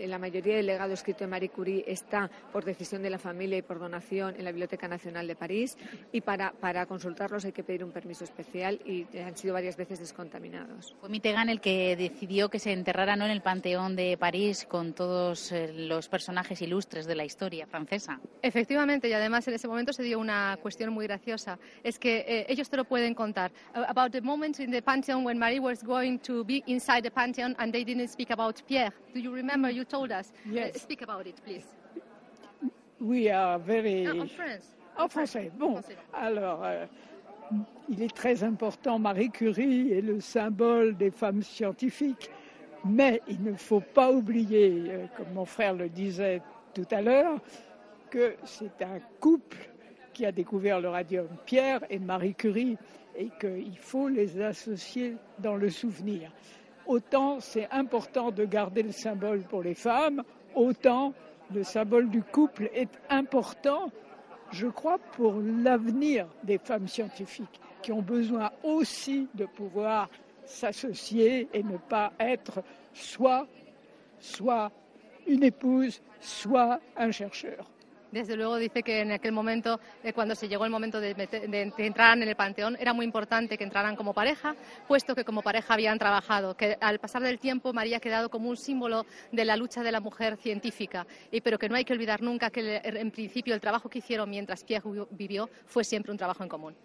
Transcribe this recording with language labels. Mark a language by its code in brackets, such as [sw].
[es] La mayoría del legado escrito de Marie Curie está por decisión de la familia y por donación en la Biblioteca Nacional de París, y para consultarlos hay que pedir un permiso especial y han sido varias veces descontaminados. Fue Mitterrand el que decidió que se enterrara, ¿no?, en el Panteón de París con todos los personajes ilustres de la historia francesa. Efectivamente, y además en ese momento se dio una cuestión muy graciosa, es que ellos te lo pueden contar. [en] About the moment in the Pantheon when Marie was going to be inside the Pantheon and they didn't speak about Pierre. Do you remember you told us? Yes. Speak about it, please. We are very... [fr] En français. Bon, alors, il est très important, Marie Curie est le symbole des femmes scientifiques, mais il ne faut pas oublier, comme mon frère le disait tout à l'heure, que c'est un couple qui a découvert le radium, Pierre et Marie Curie, et qu'il faut les associer dans le souvenir. Autant c'est important de garder le symbole pour les femmes, autant... Le symbole du couple est important, je crois, pour l'avenir des femmes scientifiques qui ont besoin aussi de pouvoir s'associer et ne pas être soit une épouse, soit un chercheur. [es] Desde luego dice que en aquel momento, cuando se llegó el momento de entraran en el Panteón, era muy importante que entraran como pareja, puesto que como pareja habían trabajado, que al pasar del tiempo María ha quedado como un símbolo de la lucha de la mujer científica, pero que no hay que olvidar nunca que en principio el trabajo que hicieron mientras Pierre vivió fue siempre un trabajo en común.